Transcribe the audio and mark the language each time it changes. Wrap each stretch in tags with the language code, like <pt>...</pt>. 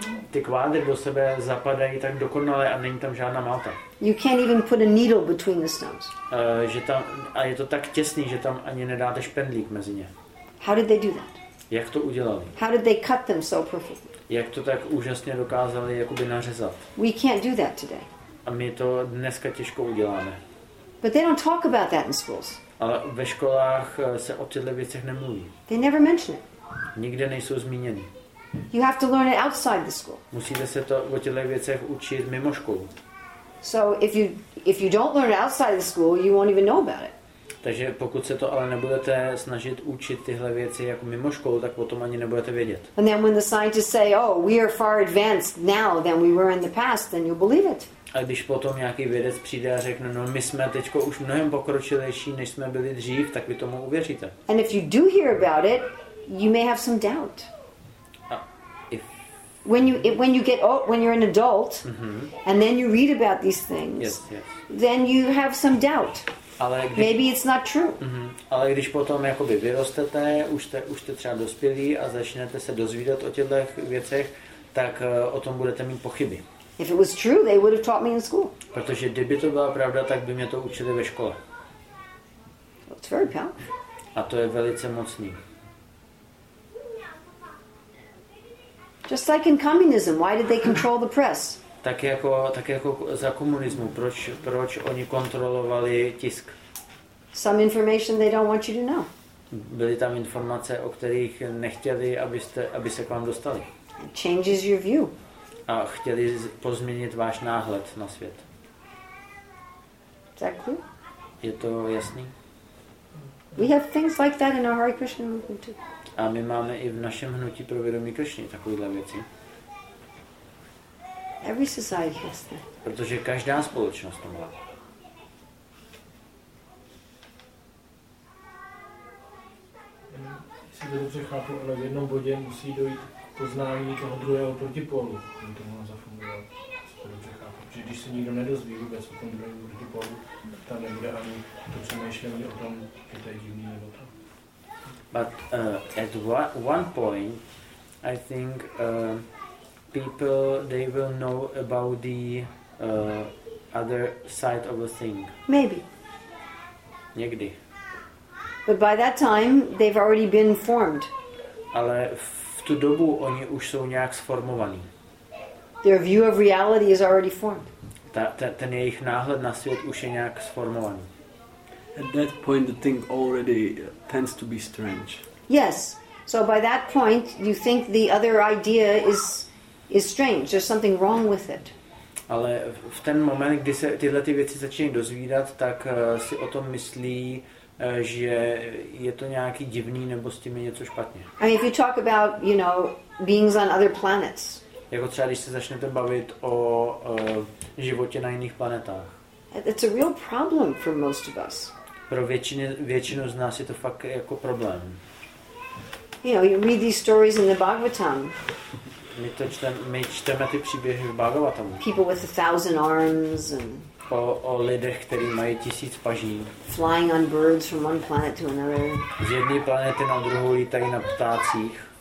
<cs>Ty kvádry do sebe zapadají tak dokonale a není tam žádná malta.</cs> <en>You can't even put a needle between the stones.</en> <cs>A je to tak těsný, že tam ani nedáte špendlík mezi ně.</cs> <en>How did they do that?</en> <cs>Jak to udělali?</cs> <en>How did they cut them so perfectly?</en> <cs>Jak to tak úžasně dokázali jakoby nařezat?</cs> <en>We can't do that today.</en> <cs>A my to dneska těžko uděláme.</cs> <en>But they don't talk about that in schools.</en> <cs>Ale ve školách se o těchto věcech nemluví.</cs> <en>They never mention it.</en> <cs>Nikde nejsou zmíněny.</cs> <en>You have to learn it outside the school.</en> <cs>Musíte se to o těchto věcech učit mimo školu.</cs> <en>So if you don't learn it outside the school, you won't even know about it.</en> <cs>Takže pokud se to ale nebudete snažit učit tyhle věci jako mimo školu, tak o tom ani nebudete vědět.</cs> <en>And then when the scientists say, "Oh, we are far advanced now than we were in the past," then you'll believe it.</en> <cs>A když potom nějaký vědec přijde a řekne, no my jsme teďko už mnohem pokročilejší, než jsme byli dřív, tak vy tomu uvěříte.</cs> <en>And if you do hear about it, you may have some doubt. When you're an adult mm-hmm. and then you read about these things, yes. then you have some doubt.</en> <cs>Ale když,</cs> <en>maybe it's not true. Mm-hmm.</en> <cs>Ale když potom jakoby vyrostete, už jste třeba dospělí a začnete se dozvídat o těchto věcech, tak o tom budete mít pochyby.</cs> <en>If it was true, they would have taught me in school.</en> <cs>Protože kdyby to byla pravda, tak by mě to učili ve škole.</cs> <en>Well, it's very powerful.</en> <cs>A to je velice mocný.</cs> <en>Just like in communism, why did they control the press?</en> <cs>Tak jako za komunismu, proč oni kontrolovali tisk?</cs> <en>Some information they don't want you to know.</en> <cs>Byly tam informace, o kterých nechtěli, aby se k vám dostali.</cs> <en>It changes your view.</en> <cs>A chtěli pozměnit váš náhled na svět.</cs> <en>Exactly.</en> <cs>Je to jasný?</cs> <en>We have things like that in our Hare Krishna movement too.</en> <cs>A my máme i v našem hnutí pro vědomí Krišny takovýhle věci.</cs> <en>Every society has that.</en> <cs>Protože každá společnost to má. Jestli to dobře chápu, ale v jednom bodě musí dojít poznání toho druhého protipolu, aby to mohlo zafungovat. Protože když se nikdo nedozví vůbec o tom druhém protipolu, tam nebude ani to přemýšlení o tom, že to je divný nebo to.</cs> <en>But at one point, I think people, they will know about the other side of a thing. Maybe.</en> <cs>Někdy.</cs> <en>But by that time, they've already been formed.</en> <cs>Ale v tu dobu oni už jsou nějak sformovaní.</cs> <en>Their view of reality is already formed.</en> <cs>Ten jejich náhled na svět už je nějak sformovaný.</cs> <en>At that point, the thing already tends to be strange. Yes. So by that point, you think the other idea is strange. There's something wrong with it.</en> <cs>Ale v ten moment, kdy se tyhle ty věci začínají dozvídat, tak si o tom myslí, že je to nějaký divný nebo s tím je něco špatně.</cs> <en>I mean, if you talk about, you know, beings on other planets.</en> <cs>Jako třeba, když se začnete bavit o životě na jiných planetách.</cs> <en>It's a real problem for most of us.</en> <cs>Pro většinu z nás je to fakt jako problém.</cs> <en>You know, you read these stories in the Bhagavatam.</en> <cs>My čteme ty příběhy v Bhagavatamu.</cs> <en>People with 1,000 arms and</en> <cs>o lidech, kteří mají 1,000 paží.</cs> <en>Flying on birds from one planet to another.</en> <cs>Z jedné planety na druhou lítají na ptácích.</cs>